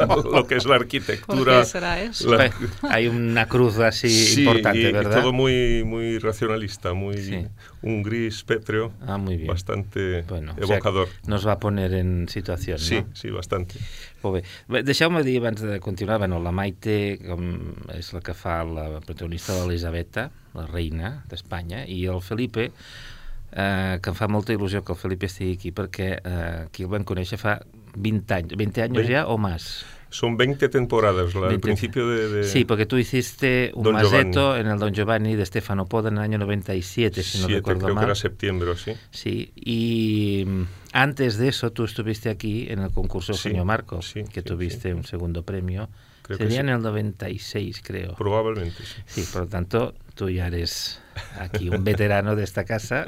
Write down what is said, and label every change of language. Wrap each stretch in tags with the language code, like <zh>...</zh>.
<es>lo que es la arquitectura. ¿Por qué será eso? Hay una cruz así, sí, importante, y, ¿verdad? Sí, todo muy, muy racionalista, muy, sí, un gris pétreo. Ah, muy bien. Bastante, bueno, evocador. O sea, nos va a poner en situación, sí, ¿no? Sí, sí, bastante.</es> <ca>Molt bé. Deixeu-me dir, abans de continuar, bueno, la Maite és la que fa la protagonista de l'Elisabetta, la reina d'Espanya, i el Felipe, que em fa molta il·lusió que el Felipe estigui aquí, perquè aquí el vam conèixer fa 20 anys, 20 anys ja o més? Són 20 temporades, al principi de... Sí, perquè tu</ca> <es>hiciste</es> <ca>un Masetto en el Don Giovanni de Stefano Poda en l'any 97, si no recordo mal.</ca> <es>Sí, creo que era septiembre, sí.</es> <ca>Sí, i...</ca> <es>Antes de eso, tú estuviste aquí en el concurso, sí, Eugenio Marco, sí, que tuviste, sí, un segundo premio. Creo sería, sí, en el 96, creo. Probablemente, sí. Sí, por lo tanto, tú ya eres aquí un veterano de esta casa.</es>